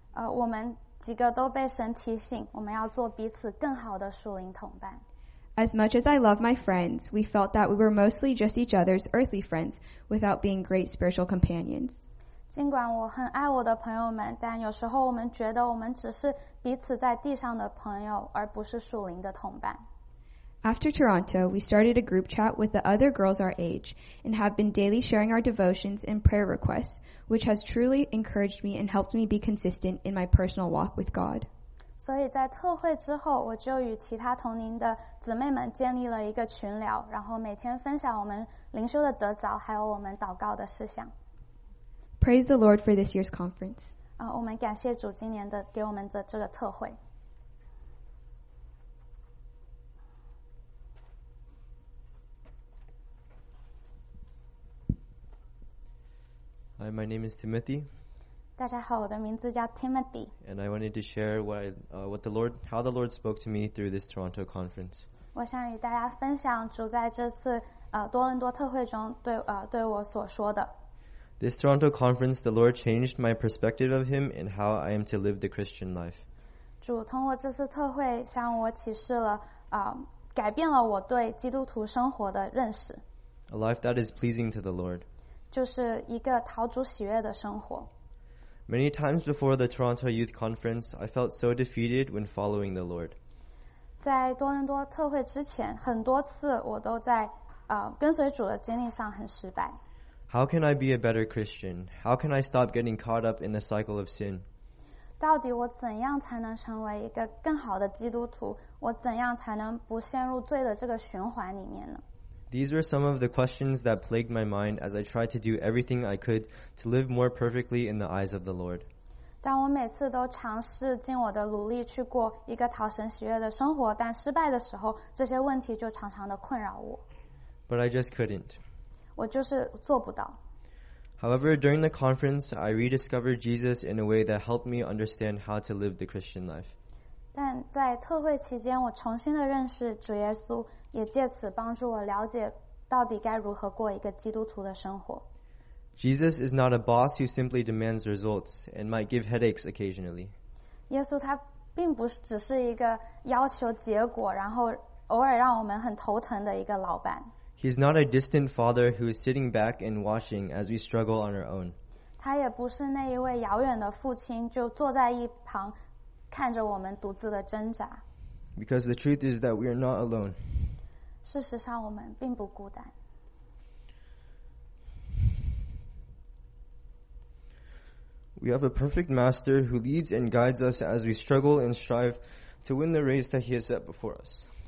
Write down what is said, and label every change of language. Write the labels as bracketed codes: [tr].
[zh] 我们几个都被神提醒，我们要做彼此更好的属灵同伴。 [en] As much as I love my friends, we felt that we were mostly just each other's earthly friends without being great spiritual companions. [zh] 尽管我很爱我的朋友们，但有时候我们觉得我们只是彼此在地上的朋友，而不是属灵的同伴。 [en] After Toronto, we started a group chat with the other girls our age and have been daily sharing our devotions and prayer requests, which has truly encouraged me and helped me be consistent in my personal walk with God. [zh] 所以在特会之后，我就与其他同龄的姊妹们建立了一个群聊，然后每天分享我们灵修的得着，还有我们祷告的事项。 [en] Praise the Lord for this year's conference. [zh] 我们感谢主今年的给我们的这个特会。 [en] Hi, my name is Timothy. [zh] 大家好，我的名字叫 Timothy. [en] And I wanted to share how the Lord spoke to me through this Toronto conference. [zh] 我想与大家分享主在这次多伦多特会中对我所说的。 [en] This Toronto conference, the Lord changed my perspective of him and how I am to live the Christian life. [zh] 主通过这次特会向我启示了，改变了我对基督徒生活的认识。 [en] A life that is pleasing to the Lord. [zh] 就是一个讨主喜悦的生活。 [en] Many times before the Toronto Youth Conference, I felt so defeated when following the Lord. [zh] 在多伦多特会之前，很多次我都在跟随主的经历上很失败。 [en] How can I be a better Christian? How can I stop getting caught up in the cycle of sin? [zh] 到底我怎样才能成为一个更好的基督徒？我怎样才能不陷入罪的这个循环里面呢？ [en] These were some of the questions that plagued my mind as I tried to do everything I could to live more perfectly in the eyes of the Lord. [zh] 当我每次都尝试尽我的努力去过一个讨神喜悦的生活，但失败的时候，这些问题就常常的困扰我。 [en] But I just couldn't. [zh] 我就是做不到。 [en] However, during the conference, I rediscovered Jesus in a way that helped me understand how to live the Christian life. [zh] 但在特会期间，我重新的认识主耶稣，也借此帮助我了解到底该如何过一个基督徒的生活。 [en] Jesus is not a boss who simply demands results and might give headaches occasionally. [zh] 耶稣他并不只是一个要求结果，然后偶尔让我们很头疼的一个老板。 [en] He's not a distant father who is sitting back and watching as we struggle on our own. [zh] 他也不是那一位遥远的父亲，就坐在一旁看着我们独自的挣扎。 [en] Because the truth is that we are not alone. [zh] 事实上，我们并不孤单。 [en] We have a perfect master who leads and guides us as we struggle and strive to win the race that he has set before us.